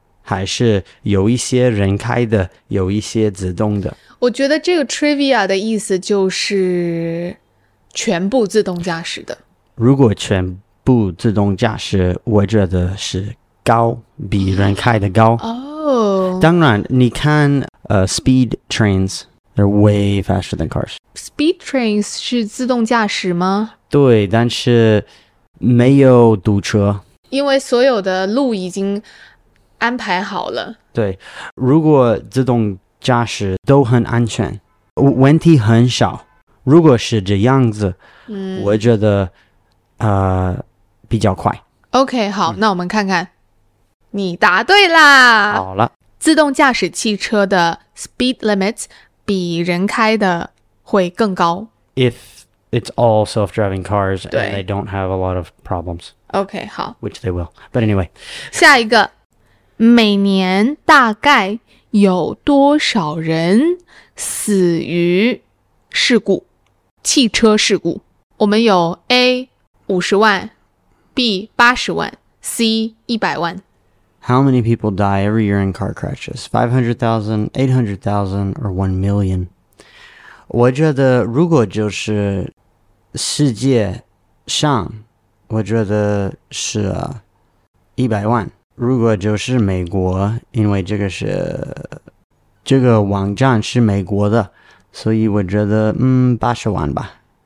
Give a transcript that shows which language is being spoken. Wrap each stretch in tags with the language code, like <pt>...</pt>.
<zh>还是有一些人开的，有一些自动的？我觉得这个 trivia 的意思就是全部自动驾驶的。如果全部自动驾驶，我觉得是高，比人开的高。当然，你看</zh> <en>speed trains, they're way faster than cars.</en> <zh>Speed trains 是自动驾驶吗？对，但是没有堵车，因为所有的路已经安排好了。对，如果自动驾驶都很安全，问题很少。如果是这样子，我觉得比较快。 OK, 好，那我们看看，你答对啦。好了，自动驾驶汽车的 speed limits 比人开的会更高。</zh> <en>If It's all self-driving cars, and they don't have a lot of problems. Okay, 好。 Which they will. But anyway.</en> <zh>下一个。每年大概有多少人死于事故？汽车事故。我们有 A, 50万 ,B, 80万 ,C, 100万。</zh> <en>How many people die every year in car crashes? 500,000, 800,000, or 1 million?</en> <zh>我觉得如果就是世界上，我觉得是100万。如果就是美国，因为这个是，这个网站是美国的，所以我觉得，80万吧。</zh>